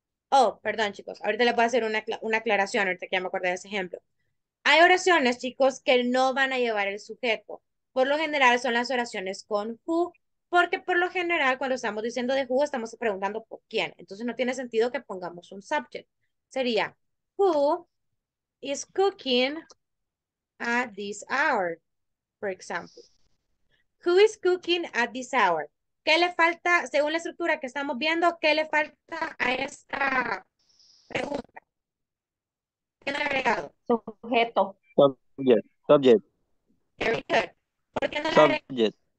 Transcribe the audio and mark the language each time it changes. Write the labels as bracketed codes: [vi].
[es] Oh, perdón, chicos. Ahorita le voy a hacer una aclaración, ahorita que ya me acordé de ese ejemplo. Hay oraciones, chicos, que no van a llevar el sujeto. Por lo general son las oraciones con who, porque por lo general cuando estamos diciendo de who, estamos preguntando por quién. Entonces no tiene sentido que pongamos un subject. Sería, [en] who is cooking at this hour, for example. Who is cooking at this hour? [es] ¿Qué le falta, según la estructura que estamos viendo, qué le falta a esta pregunta? ¿Qué no le ha agregado? Sujeto. [en] Subject. Very good. [es] ¿Por qué no le [en] subject.